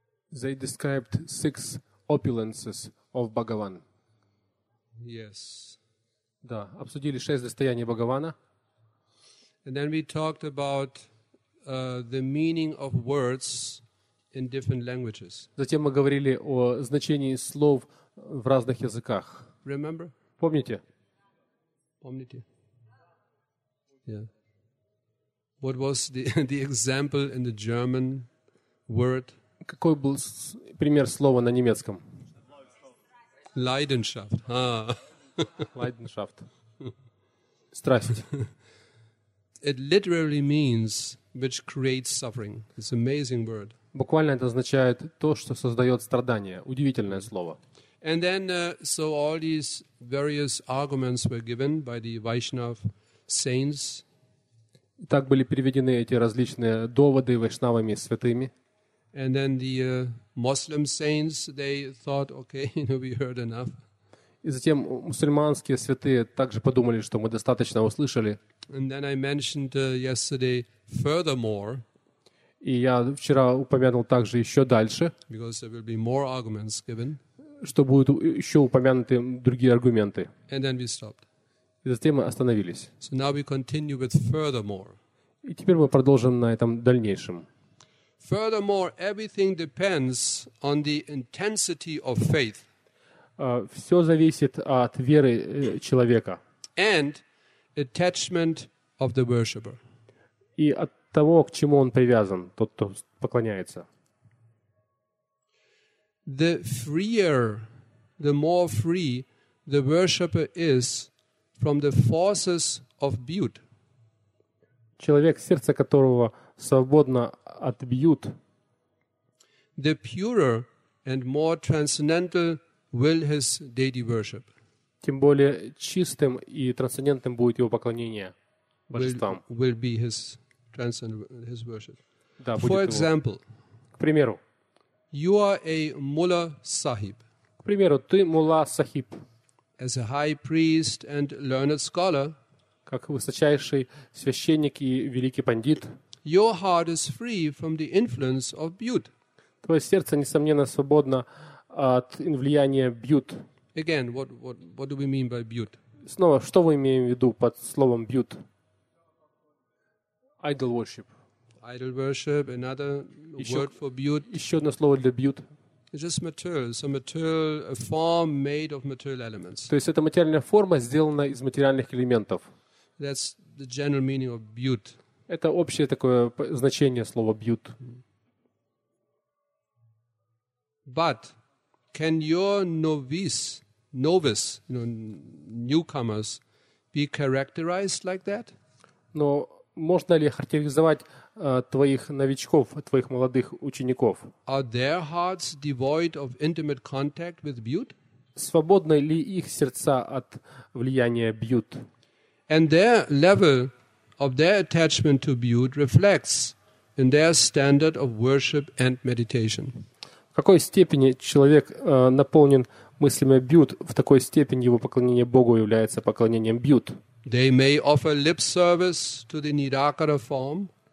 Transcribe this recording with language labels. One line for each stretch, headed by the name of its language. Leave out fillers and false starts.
English: They described six opulences of Bhagavan. Yes.
Russian: Да, обсудили шесть достояний Бхагавана.
English: And then we talked about the meaning of words in different languages.
Russian: Затем мы говорили о значении слов в разных языках.
English: Remember?
Russian: Помните? Помните?
English: Yeah. What was the example in the German word?
Russian: Какой был пример слова на немецком?
German: Leidenschaft.
Russian: Leidenschaft. Страсть.
English: It literally means which creates suffering. It's an amazing word.
Russian: Буквально это означает то, что создает страдания. Удивительное слово.
English: And then so all these various arguments were given by the Vaishnav saints.
Russian: Так были приведены эти различные доводы вайшнавами святыми.
English: And then the Muslim saints, they thought, okay, you know, we heard enough.
Russian: И затем мусульманские святые также подумали, что мы достаточно услышали.
English: And then I mentioned yesterday furthermore.
Russian: И я вчера упомянул также еще дальше.
English: Because there will be more arguments given.
Russian: Что будут еще упомянуты другие аргументы.
English: And then we stopped.
Russian: И затем мы остановились.
English: So now we continue with furthermore.
Russian: И теперь мы продолжим на этом дальнейшем.
English: Furthermore, everything depends on the intensity of faith.
Russian: Все зависит от веры человека.
English: And attachment of the worshipper.
Russian: И от того, к чему он привязан, тот, кто поклоняется.
English: The freer, the more free the worshipper is from the forces of bhut.
Russian: Человек, сердце которого свободно от бьют.
English: The purer and more transcendental will his deity worship.
Russian: Тем более чистым и трансцендентным будет его поклонение божествам.
English: Will be his transcendental his worship.
Russian: Да,
English: for example,
Russian: к примеру,
English: you are a mullah sahib.
Russian: К примеру, ты мулла сахиб.
English: As a high priest and learned scholar,
Russian: как высочайший священник и великий пандит,
English: your heart is free from the influence of bhut.
Russian: Твое сердце несомненно свободно от влияния бьют.
English: Again, what do we mean by bhut?
Russian: Снова, что мы имеем в виду под словом бьют?
English: Idol worship. Idol worship, another word for bhut.
Russian: Еще одно слово для бьют.
English: It's just material, so material, a form made of material elements.
Russian: То есть это материальная форма, сделанная из материальных элементов.
English: That's the general meaning of bhut.
Russian: Это общее такое значение слова бьют.
English: But can your novice, you know, newcomers be characterized like that?
Russian: Но можно ли характеризовать твоих новичков, твоих молодых учеников?
English: Are their hearts devoid of intimate contact with bhut?
Russian: Свободны ли их сердца от влияния бьют?
English: And their level of their attachment to bhut reflects in their standard of worship and meditation.
Russian: В какой степени человек наполнен мыслями бьют, в такой степени его поклонение Богу является поклонением бьют.
English: They may offer lip service to the nirakara form.